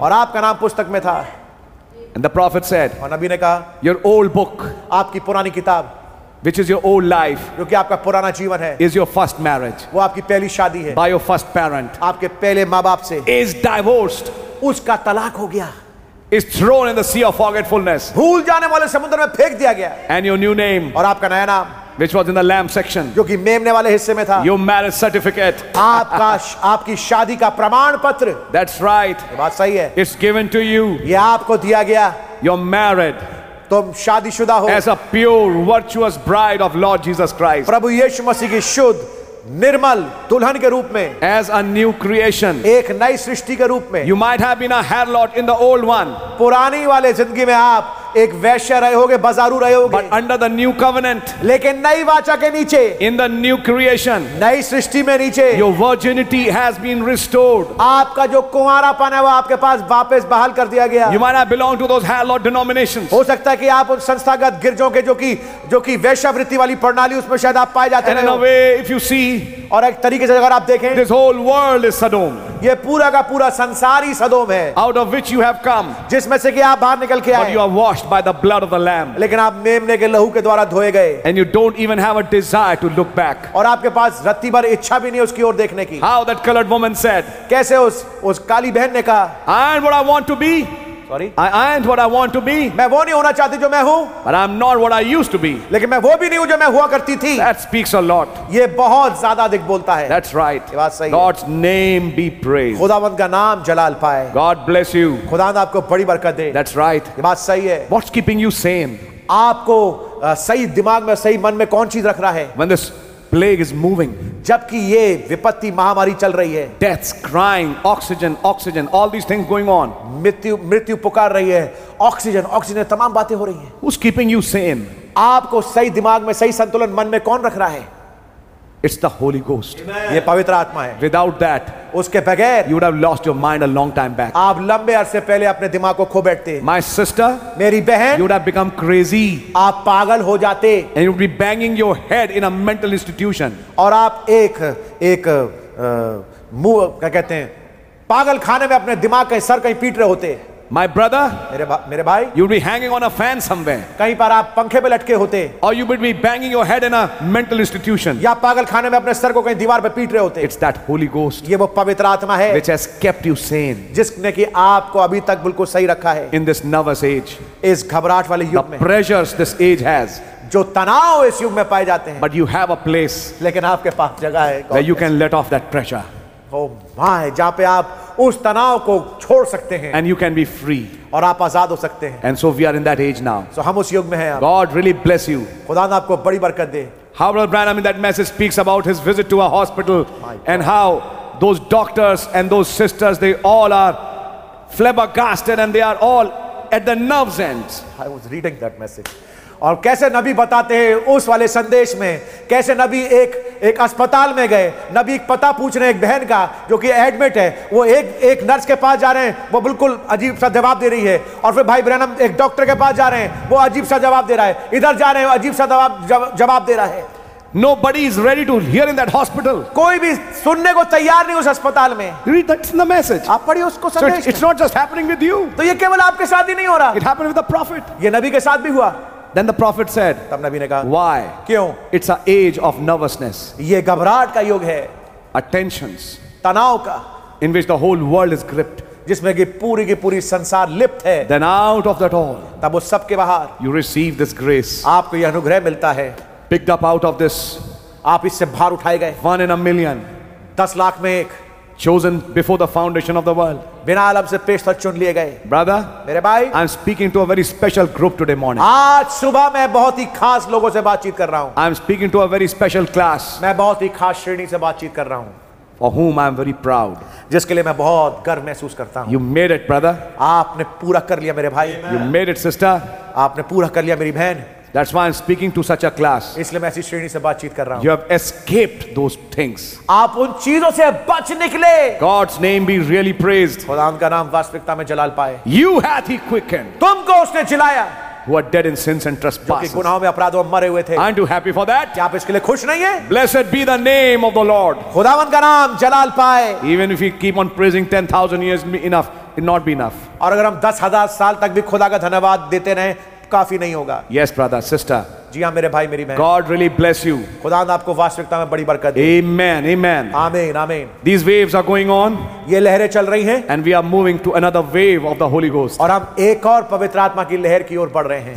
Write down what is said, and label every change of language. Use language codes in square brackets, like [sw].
[hi] और आपका नाम पुस्तक में था, [en] and the prophet said, [hi] और नबी ने कहा, [en] your old book, [hi] आपकी पुरानी किताब, [en] which is your old life, [hi] जो कि आपका पुराना जीवन है, [en] is your first marriage, [hi] वो आपकी पहली शादी है, [en] by your first parent, [hi] आपके पहले माँबाप से, [en] is divorced, [hi] उसका तलाक हो गया, [en] is thrown in the sea of forgetfulness, [hi] भूल जाने वाले समुद्र में फेंक दिया गया, [en] and your new name, [hi] और आपका नया नाम. [en] Which was in the lamb section. [hi] जो कि मेमने वाले हिस्से में था. [en] Your marriage certificate. [hi] आपका आपकी शादी का प्रमाण पत्र. [en] That's right. [hi] ये बात सही है. [en] It's given to you. [hi] ये आपको दिया गया. [en] You're married. [hi] तुम शादीशुदा हो. [en] As a pure, virtuous bride of Lord Jesus Christ. [hi] प्रभु यीशु मसीह की शुद्ध, निर्मल दुल्हन के रूप में. [en] As a new creation. [hi] एक नई सृष्टि के रूप में. [en] You might have been a harlot in the old one. [hi] पुरानी वाले जिंदगी में आप एक वैश्य रहे होगे, बाजारू रहे होगे. [en] But under the new covenant, [hi] लेकिन नई वाचा के नीचे, [en] in the new creation, [hi] नई सृष्टि में नीचे, [en] your virginity has been restored. [hi] आपका जो कुंवारापन है वो आपके पास वापस बहाल कर दिया गया. [en] You might not belong to those harlot denominations. [hi] हो सकता है कि आप उन संस्थागत गिरजों के जो कि वैश्यवृत्ति वाली प्रणाली उसमें शायद आप पाए जाते [en] हैं. If you see, [hi] और एक तरीके से अगर आप देखें, [en] this whole world is Sodom. [hi] ये पूरा का पूरा संसार ही सदोम है. [en] Out of which you have come. [hi] जिसमें से कि आप बाहर निकल के आए. [en] But you are washed by the blood of the Lamb. [hi] लेकिन आप मेमने के लहू के द्वारा धोए गए. [en] And you don't even have a desire to look back. [hi] और आपके पास रत्ती भर इच्छा भी नहीं उसकी ओर देखने की. [en] How that colored woman said. [hi] कैसे उस काली बहन ने कहा. [en] I ain't what I want to be. [hi] मैं वो नहीं होना चाहती जो मैं हूँ. [en] But I'm not what I used to be. [hi] लेकिन मैं वो भी नहीं हूँ जो मैं हुआ करती थी. [en] That speaks a lot. [hi] ये बहुत ज़्यादा दिख बोलता है. [en] That's right. [hi] ये बात सही. [en] God's name be praised. [hi] खुदावंद का नाम जलाल पाए. [en] God bless you. [hi] खुदावंद आपको बड़ी बरकत दे. [en] That's right. [hi] ये बात सही है. [en] What's keeping you sane? [hi] आपको सही दिमाग में सही मन में कौन चीज रख रहा है? [en] When this plague is moving. [hi] जबकि ये विपत्ति महामारी चल रही है. [en] Death's crying, oxygen, all these things going on. [hi] मृत्यु पुकार रही है. ऑक्सीजन तमाम बातें हो रही है. [en] Who's keeping you sane? [hi] आपको सही दिमाग में सही संतुलन मन में कौन रख रहा है? [en] It's the Holy Ghost. [hi] ये पवित्र आत्मा है. [en] Without that, [hi] उसके बगैर, [en] you would have lost your mind a long time back. [hi] आप लंबे अरसे पहले अपने दिमाग को खो बैठते. [en] My sister, [hi] मेरी बहन, [en] you would have become crazy. [hi] आप पागल हो जाते. [en] And you would be banging your head in a mental institution. [hi] और आप एक मुंह क्या कहते हैं, पागल खाने में अपने दिमाग के सर कहीं पीट रहे होते. [en] My brother, [hi] मेरे भाई, [en] you'd be hanging on a fan somewhere. [hi] कहीं पर आप पंखे पे लटके होते. [en] Or you would be banging your head in a mental institution. [hi] या पागल खाने में अपने सर को कहीं दीवार पे पीट रहे होते. [en] It's that Holy Ghost. [hi] ये वो पवित्र आत्मा है. [en] Which has kept you sane. [hi] जिसने कि आपको अभी तक बिल्कुल सही रखा है. [en] In this nervous age. [hi] इस घबराहट वाले युग में. [en] The pressures this age has. [hi] जो तनाव इस युग में पाए जाते हैं. [en] But you have a place. [hi] लेकिन आपके पास जगह है. [en] Where you can let off that pressure. Oh my, [hi] जहाँ पे आप उस तनाव को छोड़ सकते हैं. [en] And you can be free. [hi] और आप आजाद हो सकते हैं. [en] And so we are in that age now. [hi] So हम उस युग में हैं. [en] God really bless you. [hi] खुदा ने आपको बड़ी बरकत दे. [en] How Brother Branham in that message speaks about his visit to a hospital and how those doctors and those sisters, they all are flabbergasted and they are all at the nerve's ends. I was reading that message. [hi] और कैसे नबी बताते हैं उस वाले संदेश में, कैसे नबी एक एक अस्पताल में गए, नबी एक पता पूछ रहे हैं एक बहन का जो कि एडमिट है, वो एक एक नर्स के पास जा रहे हैं, वो बिल्कुल अजीब सा जवाब दे रही है, और फिर भाई ब्रैनम एक डॉक्टर के पास जा रहे हैं, वो अजीब सा जवाब दे रहा है, इधर जा रहे हैं अजीब सा जवाब दे रहा है. [en] Nobody is ready to hear in that hospital. [hi] कोई भी सुनने को तैयार नहीं उस अस्पताल में. [en] Read that in the message. [hi] आप पढ़िए उसको संदेश. [en] So it's not just happening with you. [hi] तो ये केवल आपके साथ ही नहीं हो रहा. [en] It happened with the prophet. [hi] ये नबी के साथ भी हुआ. [en] Then the prophet said. [hi] तब नबी ने कहा. [en] Why? [hi] क्यों? [en] It's an age of nervousness. [hi] ये घबराहट का युग है. [en] Attentions. [hi] तनाव का. [en] In which the whole world is gripped. [hi] जिसमें की पूरी संसार लिप्त है. [en] Then out of that all. [hi] तब उस सब के बाहर. [en] You receive this grace. [hi] आपको यह अनुग्रह मिलता है. [en] Picked up out of this. [hi] आप इससे भार उठाए गए. [en] One in a million. [hi] 10 lakh में एक. [en] Chosen before the foundation of the world. [hi] बिना आलम से पेशतर चुन लिए गए. [en] Brother. [hi] मेरे भाई. [en] I am speaking to a very special group today morning. [hi] आज सुबह मैं बहुत ही खास लोगों से बातचीत कर रहा हूँ. [en] I am speaking to a very special class. [hi] मैं बहुत ही खास श्रेणी से बातचीत कर रहा हूँ. [en] For whom I am very proud. [hi] जिसके लिए मैं बहुत गर्व महसूस करता हूँ. [en] You made it, brother. [hi] आपने पूरा कर लिया मेरे भाई. [en] Amen. You made it, sister. [hi] आपने पूरा कर लिया मेरी बहन. [en] That's why I'm speaking to such a class. [hi] इसलिए मैं ऐसी श्रेणी से बातचीत कर रहा हूँ. [en] You have escaped those things. [hi] आप उन चीजों से बच निकले. [en] God's name be really praised. [hi] खुदा का नाम वास्तविकता में जलाल पाए. [en] You hath he quickened. [hi] तुमको उसने जिलाया. [en] Who are dead in sins and trespasses. [hi] जो कि गुनाहों में अपराध और मरे हुए थे. [en] Aren't you happy for that? [hi] क्या आप इसके लिए खुश नहीं हैं? [en] Blessed be the name of the Lord. [hi] खुदावन का नाम जलाल पाए. [en] Even if we keep on praising 10,000 years, enough, it not be enough. [hi] और अगर हम 10,000 साल तक भी खुदा का धन्यवाद देते रहे, काफी नहीं होगा. [en] Yes, brother, sister. [hi] जी हाँ मेरे भाई मेरी बहन. [en] God really bless you. [hi] खुदा ने आपको वास्तविकता में बड़ी बरकत [en] दी. Amen, amen. Amen, amen. These waves are going on. [hi] ये लहरें चल रही हैं. [en] And we are moving to another wave of the Holy Ghost. [hi] और हम एक और पवित्र आत्मा की लहर की ओर बढ़ रहे हैं.